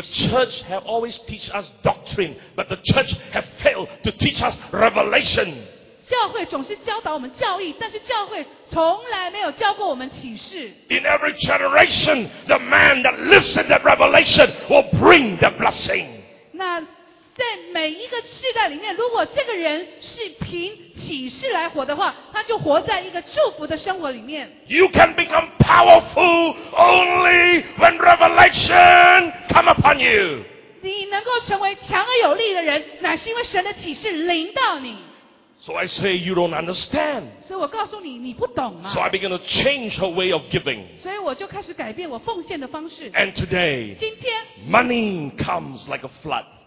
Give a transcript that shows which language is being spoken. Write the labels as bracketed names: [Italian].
[English] The church have always teach us doctrine, but the church have failed to teach us revelation. [Chinese] 教会总是教导我们教义，但是教会从来没有教过我们启示。 [English] In every generation, the man that lives in that revelation will bring the blessing. [Chinese] 那在每一个世代里面，如果这个人是凭启示来活的话，他就活在一个祝福的生活里面。 [English] You can become powerful only when revelation come upon you. [Chinese] 你能够成为强而有力的人，乃是因为神的启示临到你。 [English] So I say you don't understand. [Chinese] 所以我告诉你，你不懂嘛。 [English] So I begin to change her way of giving. [Chinese] 所以我就开始改变我奉献的方式。 [English] And today, [Chinese] 今天 [English] money comes like a flood.